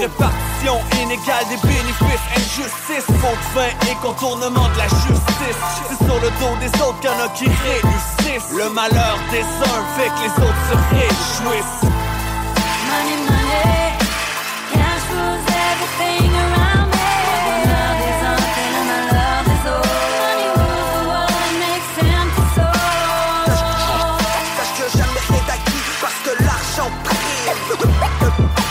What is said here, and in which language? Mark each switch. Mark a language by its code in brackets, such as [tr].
[fr] Répartition inégale des bénéfices. Injustice, faute vain et contournement de la justice. C'est sur le dos des autres qu'il y en a qui réussissent. Le malheur des uns fait que les autres se réjouissent. [en] Money, money, cash rules everything around me. [fr] Le malheur des uns fait le malheur des autres. [en] Money rules the world and makes empty souls. [fr] Sache que jamais rien d'acquis parce que l'argent prime.